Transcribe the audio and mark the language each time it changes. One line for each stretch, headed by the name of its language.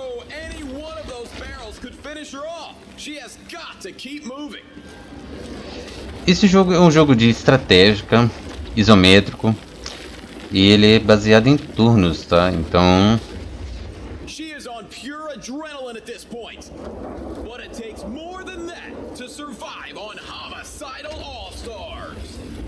English: Any one of those barrels could finish her off. She has got to keep moving.
Portuguese: Esse jogo é um jogo de estratégica, isométrico. E ele é baseado em turnos, tá? Então.
English: She is on pure adrenaline at this point. But it takes more than that to survive on homicidal all-stars.